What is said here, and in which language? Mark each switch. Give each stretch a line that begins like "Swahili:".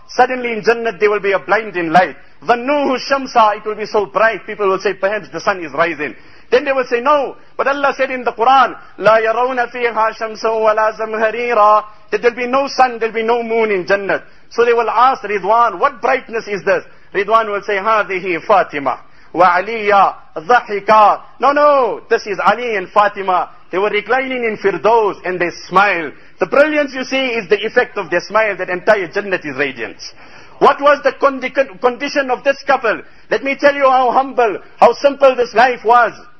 English: Suddenly in Jannat there will be a blinding light.
Arabic: ظَنُّوهُ الشَّمْسَ.
English: It will be so bright. People will say, perhaps the sun is rising. Then they will say, no. But Allah said in the Quran,
Arabic: لَا يَرَوْنَ فِيهَا شَمْسًا وَلَا زَمْهَرِيرًا.
English: That there will be no sun, there will be no moon in Jannat. So they will ask Ridwan, what brightness is this? Ridwan will say,
Arabic: هَذِهِ فَاتِمَةً وَعَلِيَا ضَحِكَا.
English: No, no, this is Ali and Fatima. They were reclining in Firdaus and they smile. The brilliance you see is the effect of their smile, that entire Jannat is radiant. What was the condition of this couple? Let me tell you how humble, how simple this life was.